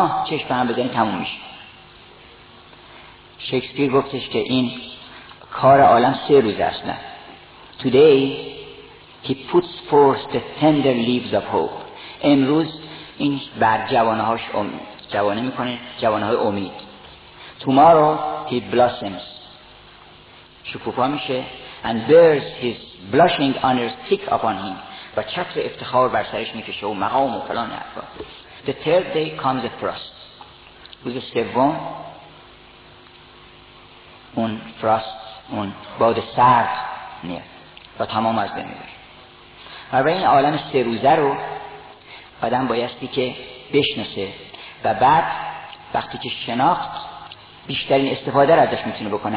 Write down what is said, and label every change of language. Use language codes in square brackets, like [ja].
[fa] چشم هم بزنی تموم میشه. شکسپیر گفتش که این کار عالم سه روز است. [en] نه Today he puts forth the tender leaves of hope. [fa] امروز این بر جوانهاش جوانه میکنه، جوانهای امید. [en] Tomorrow he blossoms، [fa] شکوفا میشه. [en] And bears his blushing honors thick upon him [fa] و چتر افتخار بر سرش میکشه و مقام و فلان حرفا. [en] The third day comes the frost. [fa] روز سوم اون فراست، اون باد سرد میاد و تمام از بین میره. و برای این عالم سه روزه رو آدم بایستی که بشناسه و بعد وقتی که شناخت بیشترین استفاده را ازش میتونه بکنه.